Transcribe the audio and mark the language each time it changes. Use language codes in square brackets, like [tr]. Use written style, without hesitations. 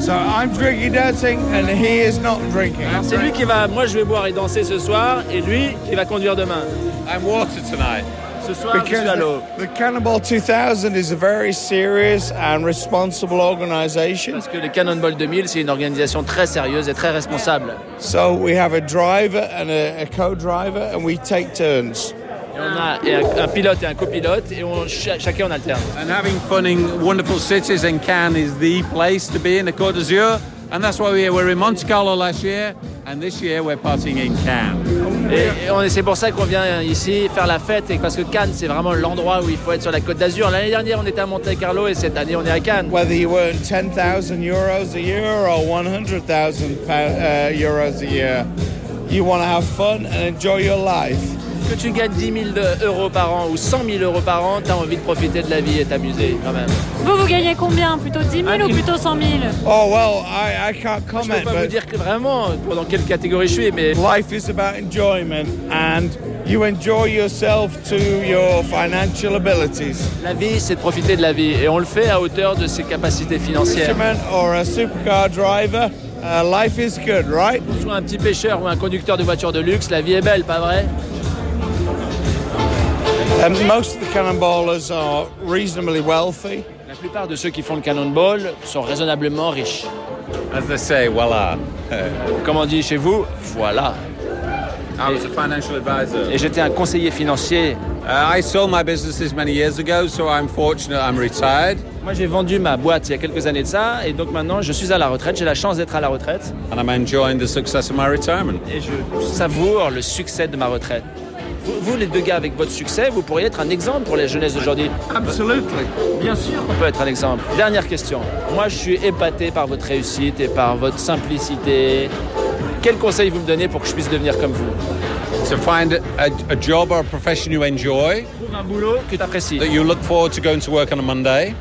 [en] So I'm drinking, dancing, and he is not drinking. [fr] C'est lui qui va. Moi, je vais boire et danser ce soir, et lui qui va conduire demain. [en] I'm water tonight. Because the Cannonball 2000 is a very serious and responsible organization. [fr] Parce que le Cannonball 2000, c'est une organisation très sérieuse et très responsable. [en] So we have a driver and a co-driver and we take turns. [fr] Et on a un pilote et un copilote et chacun on alterne. [en] And having fun in wonderful cities in Cannes is the place to be in the Côte d'Azur. And that's why we're in Monte Carlo last year, and this year we're partying in Cannes. [fr] Et c'est pour ça qu'on vient ici faire la fête, et parce que Cannes, c'est vraiment l'endroit où il faut être sur la Côte d'Azur. L'année dernière, on était à Monte Carlo, et cette année, on est à Cannes. [en] Whether you earn 10,000 euros a year or 100,000 euros a year, you want to have fun and enjoy your life. [fr] Que tu gagnes 10 000 euros par an ou 100 000 euros par an, t'as envie de profiter de la vie et t'amuser quand même. Vous gagnez combien? Plutôt 10 000 ou plutôt 100 000? [en] Oh, well, I can't comment. [fr] Je peux pas vous dire que vraiment dans quelle catégorie je suis, mais... [en] Life is about enjoyment and you enjoy yourself to your financial abilities. [fr] La vie, c'est de profiter de la vie et on le fait à hauteur de ses capacités financières. [en] Fisherman or a supercar driver, life is good, right? [fr] Que tu sois un petit pêcheur ou un conducteur de voiture de luxe, la vie est belle, pas vrai? [en] And most of the cannonballers are reasonably wealthy. [fr] La plupart de ceux qui font le cannonball sont raisonnablement riches. [en] As they say, voilà. [fr] Comme on dit chez vous, voilà. [en] I was a financial advisor. [fr] Et j'étais un conseiller financier. [en] I sold my businesses many years ago, so I'm fortunate I'm retired. [fr] Moi, j'ai vendu ma boîte il y a quelques années de ça, et donc maintenant, je suis à la retraite, j'ai la chance d'être à la retraite. [en] And I'm enjoying the success of my retirement. [fr] Et je savoure le succès de ma retraite. Vous, les deux gars, avec votre succès, vous pourriez être un exemple pour les jeunesses d'aujourd'hui. [en] Absolutely. [fr] Bien sûr. On peut être un exemple. Dernière question. Moi, je suis épaté par votre réussite et par votre simplicité. Quel conseil vous me donnez pour que je puisse devenir comme vous? [en] To find a job or a profession you enjoy. [fr] Pour un boulot que tu apprécies. [en] That you look forward to going to work on a Monday.